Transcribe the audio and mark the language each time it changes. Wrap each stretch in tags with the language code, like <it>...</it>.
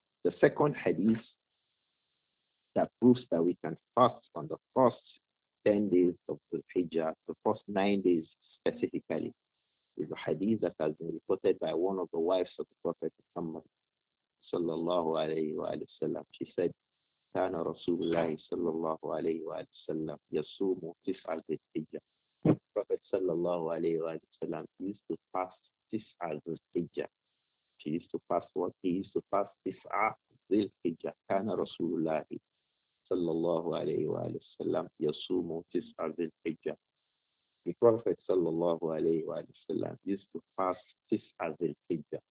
<en>The second hadith that proves that we can fast on the first 10 days of the Hijjah, the first 9 days specifically, is a hadith that has been reported by one of the wives of the Prophet Muhammad sallallahu alayhi wa sallam.</en> <ar>She said, كان رسول الله صلى الله عليه وسلم يصوم تسعة ذي الحجة.</ar> <en>Prophet صلى الله عليه وسلم used to fast</en> <ar>تسعة ذي الحجة.</ar> <en>He used to fast what? He used to fast</en> <ar>تسعة ذي الحجة. كان رسول الله صلى الله عليه وسلم يصوم تسعة ذي الحجة.</ar> <en>The Prophet صلى الله عليه وسلم used to fast</en> <ar>تسعة ذي الحجة.</ar>